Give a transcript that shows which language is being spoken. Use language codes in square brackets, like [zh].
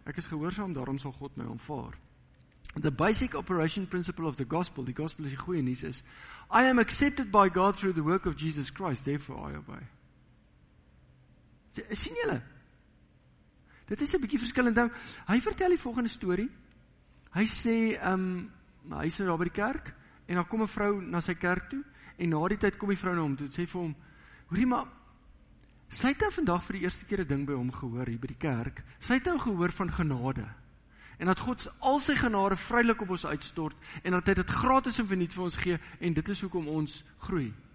[af] Ek is gehoorsaam, daarom sal God my aanvaar. [en] The basic operation principle of the gospel, [af] die gospel is die goeie nuus, [en] is I am accepted by God through the work of Jesus Christ, therefore I obey. [af] Sien julle? Dit is 'n bietjie verskil. Dan, hy vertel die volgende story. Hy sê, hy is daar by die kerk, en dan kom 'n vrou na sy kerk toe, en na die tyd kom die vrou na hom toe, sê vir hom, hoorie maar, sy het nou vandag vir die eerste keer een ding by hom gehoor, hier by die kerk, sy het nou gehoor van genade, en dat God al sy genade vrylik op ons uitstort, en dat hy dit gratis en verniet vir ons gee, en dit is hoekom ons groei.